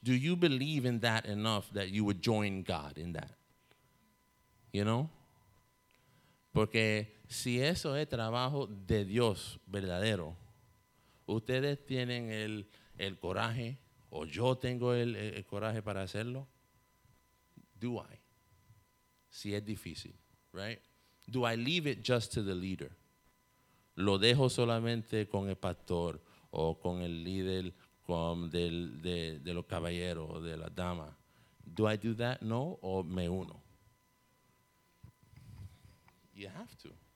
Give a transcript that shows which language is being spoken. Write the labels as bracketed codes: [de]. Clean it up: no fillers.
[en] Do you believe in that enough that you would join God in that? You know? [es] Porque si eso es trabajo de Dios verdadero, ustedes tienen el coraje, o yo tengo el coraje para hacerlo. [en] Do I? [es] Si es difícil, [en] right? Do I leave it just to the leader? [es] ¿Lo dejo solamente con el pastor o con el líder de los caballeros o de las damas? [en] Do I do that? No, [es] o me uno. [en] You have to.